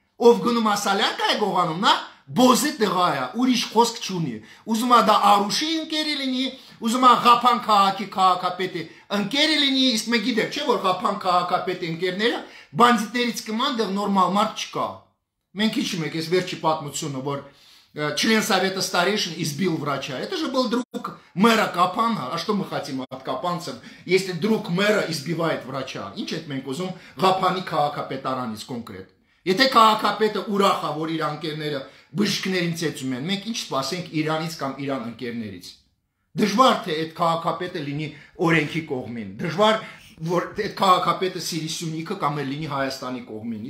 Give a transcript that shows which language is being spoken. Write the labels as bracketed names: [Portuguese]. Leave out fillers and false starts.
[Armenian] ով գնում է սալյարկա է գողանում, նա բոզի տղա է, ուրիշ խոսք չունի, ուզում է դա Արուշի ընկերը լինի, ուզում է Ղափան քաղաքի քաղաքապետի ընկերը լինի, իսկ մենք գիտեմ, չէ՞, որ Ղափան քաղաքապետի ընկերները բանդիտներից կման դեռ նորմալ մարդ չկա։ Մենք ի՞նչ ենք այս վերջի պատմությունը, որ [Russian] член совета старейшин избил врача. Это же был друг мэра Капана. А что мы хотим от капанцев, если друг мэра избивает врача? [Armenian] Ինչ էլ մենք ուզում Ղափանի քաղաքապետարանից կոնկրետ. Եթե քաղաքապետը ուրախ է, որ իր ընկերները բժիշկներին ծեծում են, մենք ինչ սպասենք Իրանից կամ Իրան ընկերներից? Դժվար թե այդ քաղաքապետը լինի օրենքի կողմին. Դժվար, որ այդ քաղաքապետը սիրի սյունիքը կամ էլ լինի Հայաստանի կողմին.